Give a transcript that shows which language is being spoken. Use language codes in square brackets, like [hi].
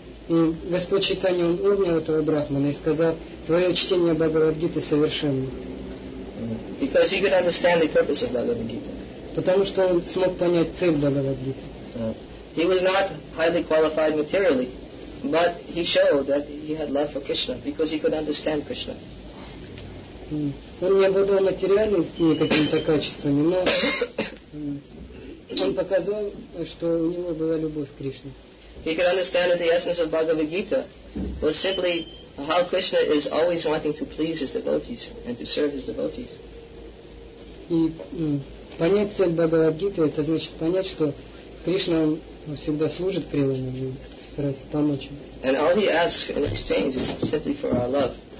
[ru] И Господь Чайтанья обнял этого Брахмана и сказал, твое чтение Бхагавад Гиты совершенно. [en] Because he could understand the purpose of Bhagavad Gita. [ru] Потому что он смог понять цель Бхагавад Гиты. [en] He was not highly qualified materially, but he showed that he had love for Krishna because he could understand Krishna. [ru] Он не обладал материальными какими-то качествами, но он показал, что у него была любовь к Кришне. [en] He could understand that the essence of Bhagavad Gita was simply how Krishna is always wanting to please his devotees and to serve his devotees. [ru] И понять цель Бхагавад Гиты, это значит понять, что Кришна всегда служит преданным и старается помочь им. [en] And all he asks in exchange is simply for our love.